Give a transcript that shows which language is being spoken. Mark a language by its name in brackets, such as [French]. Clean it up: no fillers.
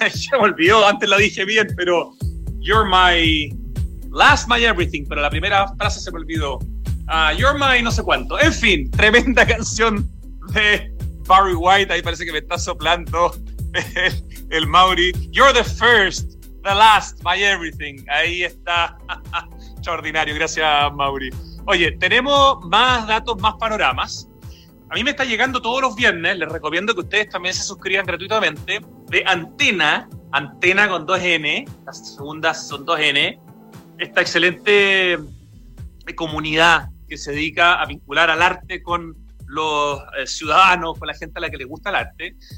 [Spanish] Ya me olvidó, antes la dije bien, pero You're My Last My Everything, pero la primera frase se me olvidó. You're My no sé cuánto. En fin, tremenda canción de Barry White. Ahí parece que me está soplando el Mauri. [English] You're the first, the last, my everything. [Spanish] Ahí está. Extraordinario. Gracias, Mauri. Oye, tenemos más datos, más panoramas. A mí me está llegando todos los viernes. Les recomiendo que ustedes también se suscriban gratuitamente. De Antena. Antena con 2N. Las segundas son 2N. Esta excelente comunidad que se dedica a vincular al arte con los ciudadanos, con la gente a la que les gusta el arte.